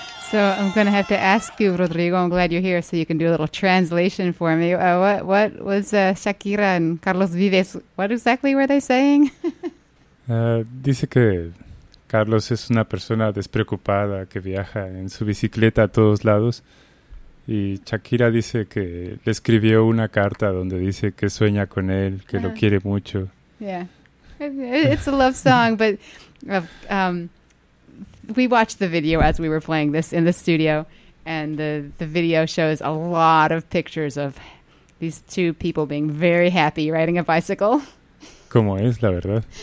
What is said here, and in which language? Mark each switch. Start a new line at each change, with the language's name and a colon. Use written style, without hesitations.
English: So I'm going to have to ask you, Rodrigo, I'm glad you're here, so you can do a little translation for me. What was Shakira and Carlos Vives, what exactly were they saying?
Spanish: Dice que Carlos es una persona despreocupada que viaja en su bicicleta a todos lados. Y Shakira dice que le escribió una carta donde dice que sueña con él, que lo quiere mucho.
English: Yeah. It's a love song, but we watched the video as we were playing this in the studio, and the video shows a lot of pictures of these two people being very happy riding a bicycle.
Spanish: ¿Cómo es, la verdad?